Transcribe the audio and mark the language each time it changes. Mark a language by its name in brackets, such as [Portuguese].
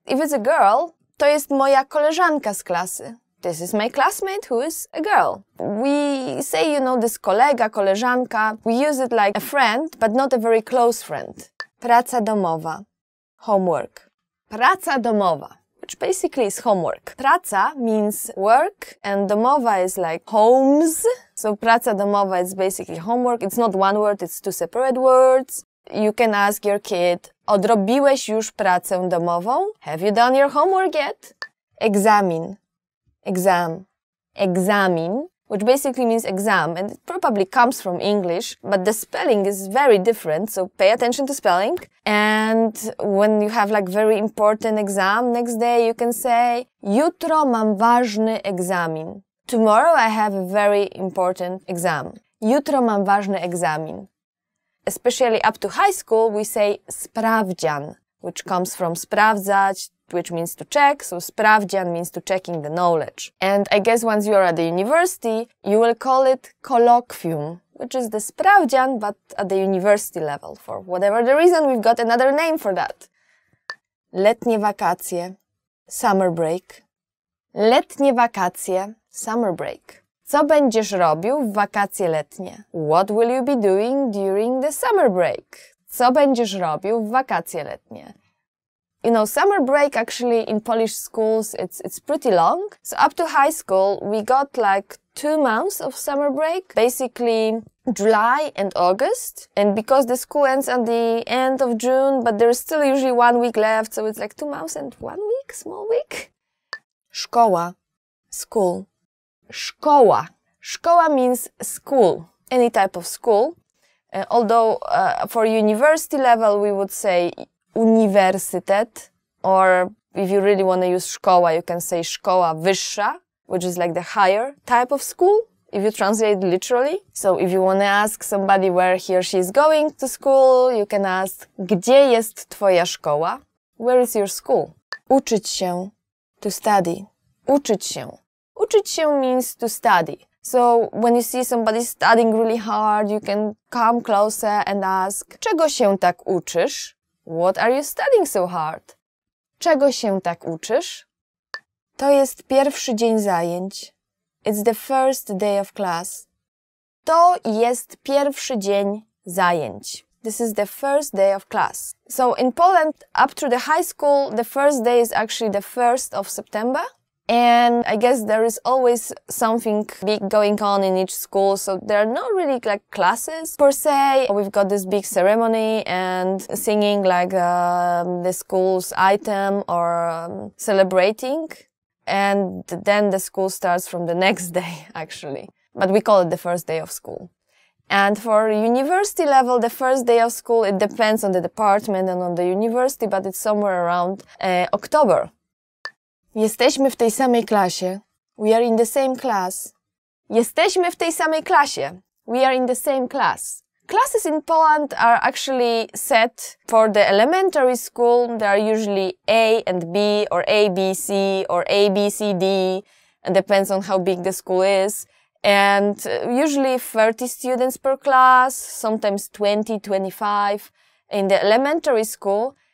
[English] If it's a girl, [Polish] to jest moja koleżanka z klasy. [English] This is my classmate who is a girl. We say, you know, this kolega, koleżanka. We use it like a friend, but not a very close friend. Praca domowa. Homework. Praca domowa, which basically is homework. Praca means work and domowa is like homes. So praca domowa is basically homework. It's not one word, it's two separate words. You can ask your kid, [Polish] odrobiłeś już pracę domową? [English] Have you done your homework yet? Egzamin. Exam. Egzamin, which basically means exam, and it probably comes from English, but the spelling is very different, so pay attention to spelling. And when you have like very important exam next day, you can say, [Polish] jutro mam ważny egzamin. [English] Tomorrow I have a very important exam. [Polish] Jutro mam ważny egzamin. [English] Especially up to high school, we say sprawdzian, which comes from sprawdzać, which means to check. So sprawdzian means to checking the knowledge. And I guess once you are at the university, you will call it colloquium, which is the sprawdzian, but at the university level. For whatever the reason, we've got another name for that. [Polish] Letnie wakacje, [English] summer break. [Polish] Letnie wakacje, summer break. Co będziesz robił w wakacje letnie? [English] What will you be doing during the summer break? [Polish] Co będziesz robił w wakacje letnie? [English] You know, summer break actually in Polish schools, it's pretty long. So up to high school, we got like 2 months of summer break, basically July and August. And because the school ends at the end of June, but there's still usually 1 week left. So it's like 2 months and 1 week, small week. Szkoła, school. Szkoła. Szkoła means school, any type of school. Although for university level, we would say uniwersytet, or if you really want to use szkoła, you can say szkoła wyższa, which is like the higher type of school, if you translate literally. So if you want to ask somebody where he or she is going to school, you can ask [Polish] gdzie jest twoja szkoła? [English] Where is your school? Uczyć się, to study. Uczyć się. Uczyć się means to study. So when you see somebody studying really hard, you can come closer and ask [Polish] czego się tak uczysz? [English] What are you studying so hard? [Polish] Czego się tak uczysz? To jest pierwszy dzień zajęć. [English] It's the first day of class. [Polish] To jest pierwszy dzień zajęć. [English] This is the first day of class. So in Poland, up to the high school, the first day is actually the 1st of September. And I guess there is always something big going on in each school, so there are not really like classes per se. We've got this big ceremony and singing like the school's item or celebrating. And then the school starts from the next day, actually. But we call it the first day of school. And for university level, the first day of school, it depends on the department and on the university, but it's somewhere around October. [Polish] Jesteśmy w tej samej klasie. [English] We are in the same class. [Polish] Jesteśmy w tej samej klasie. [English] We are in the same class. Classes in Poland are actually set for the elementary school. There are usually A and B or A, B, C or A, B, C, D. It depends on how big the school is. And usually 30 students per class, sometimes 20, 25 in the elementary school.